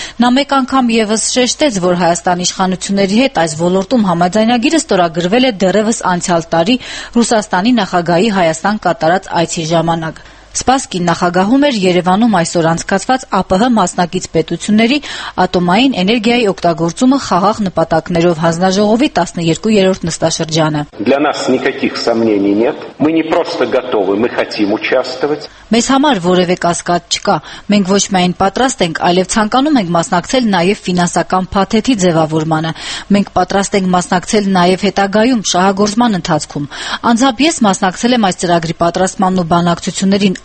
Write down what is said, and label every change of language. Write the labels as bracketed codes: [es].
[hy] Նա մեկ անգամ ևս շեշտեց, որ Հայաստանի իշխանությունների հետ այս ոլորտում համաձայնագիրը ստորագրել գրվել է դեռևս անցյալ տարի Ռուսաստանի նախագահի Հայաստան կատարած այցի ժամանակ։ Սպասկին նախագահում էր Երևանում այսօր անցկացված ԱՊՀ մասնակից պետությունների ատոմային էներգիայի օգտագործումը խաղաղ նպատակներով հանձնաժողովի 12-րդ նստաշրջանը։ [ru] Для нас никаких сомнений нет. Мы не просто готовы, мы хотим участвовать. [hy] Մեզ համար որևէ կասկած չկա։ Մենք ոչ միայն պատրաստ ենք, այլև ցանկանում ենք մասնակցել նաև ֆինանսական փաթեթի ձևավորմանը։ Մենք պատրաստ ենք մասնակցել նաև հետագայում շահագործման ընթացքում։ Անձամբ ես մասնակցել եմ այս ծրագրի պատրաստմանն ու բանակցություններին